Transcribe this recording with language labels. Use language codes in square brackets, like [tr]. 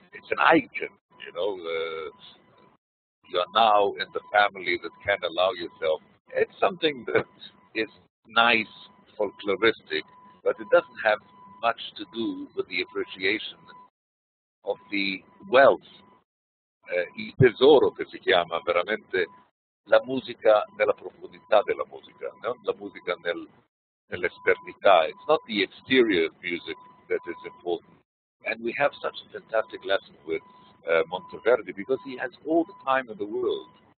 [en] It's an icon, you know. You are now in the family that can allow yourself. It's something that is nice, folkloristic, but it doesn't have much to do with the appreciation of the wealth. [it] Il tesoro che si chiama veramente la musica nella profondità della musica, non la musica nell'esternità. [en] It's not the exterior of music that is important. And we have such a fantastic lesson with Monteverdi, because he has all the time in the world.